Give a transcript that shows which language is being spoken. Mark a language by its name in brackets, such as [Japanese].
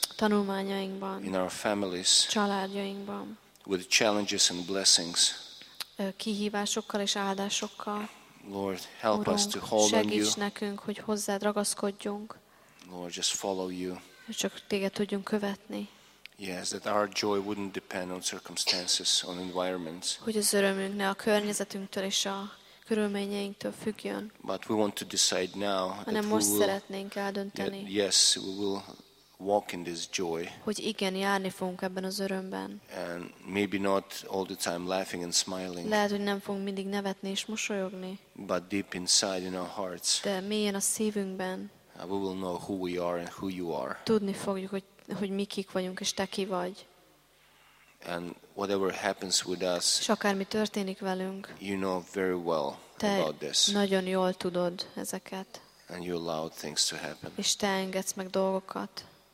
[Hungarian] Tanulmányainkban. [English] In our families. [Hungarian] Családjainkban. [English] With challenges and blessings. [Hungarian] Kihívásokkal és áldásokkal. [English] Lord, help [Hungarian] Urunk, [English] us to hold on you. [Hungarian] Segíts nekünk, hogy hozzád ragaszkodjunk. [English] Lord, just follow you. [Hungarian] Csak téged tudjunk követni. [English] Yes, that our joy wouldn't depend on circumstances, on environments. [Hungarian] Hogy az örömünk ne a környezetünktől és a körülményeinktől függjön. [English] But we want to decide now that [Hungarian] hanem most szeretnénk eldönteni. [English] Yes, we will walk in this joy. [Hungarian] Hogy igen, járni fogunk ebben az örömben. [English] And maybe not all the time laughing and smiling. [Hungarian] Lehet, hogy nem fogunk mindig nevetni és mosolyogni. [English] But deep inside in our hearts. [Hungarian] De mélyen a szívünkben. [English] We will know who we are and who you are. [Hungarian] Tudni fogjuk, hogy mi kik vagyunk és te ki vagy. [English] And whatever happens with us. [Hungarian] És akármi történik velünk. [English] You know very well about this. [Hungarian] Te nagyon jól tudod ezeket. [English] And you allow things to happen. [Hungarian] És te engedsz meg dolgokat.